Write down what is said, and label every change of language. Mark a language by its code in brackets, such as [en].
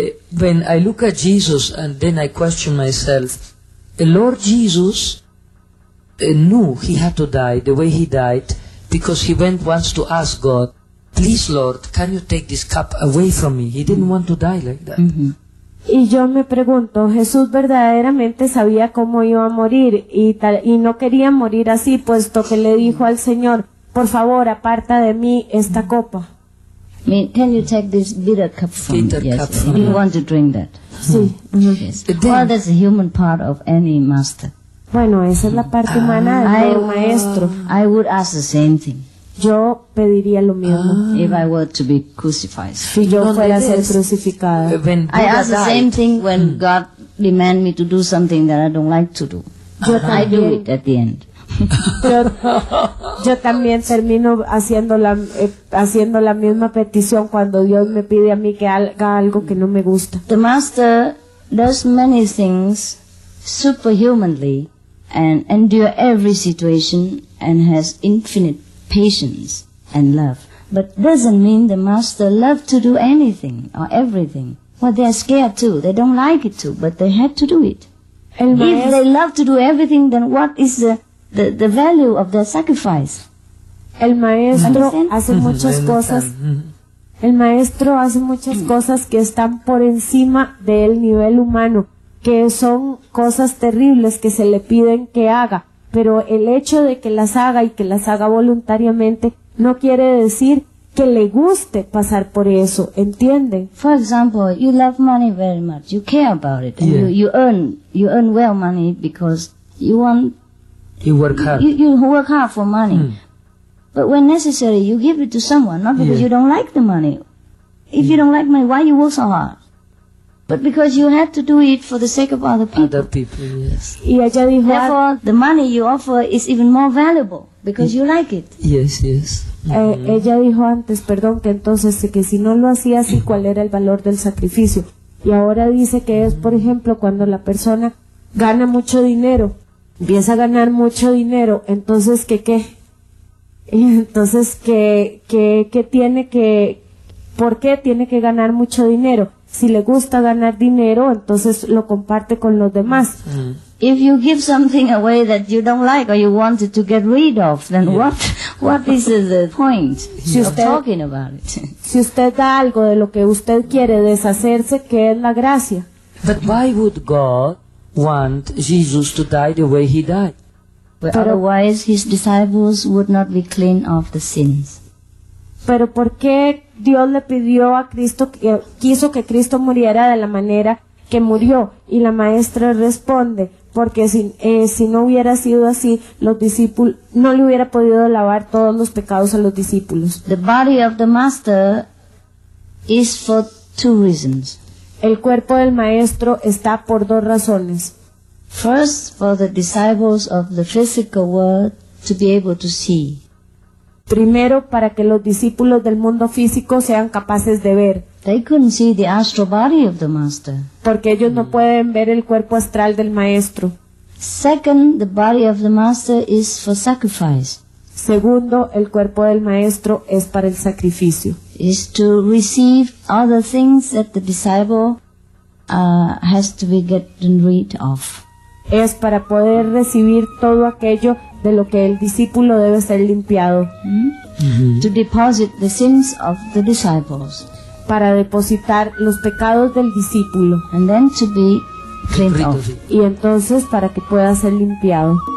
[en] When I look at Jesus and then I question myself, the Lord Jesus knew he had to die the way he died, because he went once to ask God, please Lord, can you take this cup away from me? He didn't want to die like that. Mm-hmm. [es] Y yo me pregunto, Jesús verdaderamente sabía cómo iba a morir y no quería morir así, puesto que le dijo al Señor, por favor, aparta de mí esta copa. [en] Can you take this bitter cup from me? Bitter cup from me. You want to drink that? [es] Sí. [en] Mm-hmm. Yes. Well, that's the human part of any master. [es] Bueno, esa es la parte humana de todo maestro. [en] I would ask the same thing. [es] Yo pediría lo mismo. [en] If I were to be crucified. [es] Si yo fuera a ser crucificada. [en] I ask the same thing when God demand me to do something that I don't like to do. [es] Yo también, [en] I do it at the end. [es] yo también termino haciendo la misma petición cuando Dios me pide a mí que haga algo que no me gusta. [en] The master does many things superhumanly and endure every situation and has infinite patience and love, but doesn't mean the master loves to do anything or everything. Well, they are scared too. They don't like it too, but they had to do it. If they love to do everything, then what is the value of their sacrifice? [es] El maestro hace muchas cosas. El maestro hace muchas cosas que están por encima del nivel humano, que son cosas terribles que se le piden que haga. Pero el hecho de que las haga y que las haga voluntariamente no quiere decir que le guste pasar por eso, ¿entienden? [en] For example, you love money very much, you care about it, and you earn well money because you work hard. You work hard for money. But when necessary, you give it to someone, not because you don't like the money. If you don't like money, why you work so hard? But because you have to do it for the sake of other people. Other people, yes. [es] Y ella dijo, [en] therefore, the money you offer is even more valuable because you like it. Yes, yes. [es] Ella dijo antes, perdón, que entonces, que si no lo hacía así, ¿cuál era el valor del sacrificio? Y ahora dice que es, por ejemplo, cuando la persona gana mucho dinero, empieza a ganar mucho dinero, entonces, ¿qué? Entonces, ¿qué tiene que, por qué tiene que ganar mucho dinero? Si le gusta ganar dinero, entonces lo comparte con los demás. [en] If you give something away that you don't like or you wanted to get rid of, then what is the point of talking about it? [es] Si usted da algo de lo que usted quiere deshacerse, ¿qué es la gracia? [en] But why would God want Jesus to die the way he died? Well, otherwise his disciples would not be clean of the sins. [es] Pero ¿por qué Dios le pidió a Cristo, quiso que Cristo muriera de la manera que murió? Y la maestra responde, porque si no hubiera sido así, los discípulos no le hubiera podido lavar todos los pecados a los discípulos. [en] The body of the master is for two reasons. [es] El cuerpo del maestro está por dos razones. [en] First, for the disciples of the physical world to be able to see. [es] Primero, para que los discípulos del mundo físico sean capaces de ver. [en] They couldn't see the astral body of the master. [es] Porque ellos no pueden ver el cuerpo astral del maestro. [en] Second, the body of the master is for sacrifice. [es] Segundo, el cuerpo del maestro es para el sacrificio. [en] Is to receive other things that the disciple has to be getting rid of. [es] Es para poder recibir todo aquello de lo que el discípulo debe ser limpiado. [en] To deposit the sins of the disciples. [es] Para depositar los pecados del discípulo. [en] And then to be cleaned off. [es] Y entonces para que pueda ser limpiado.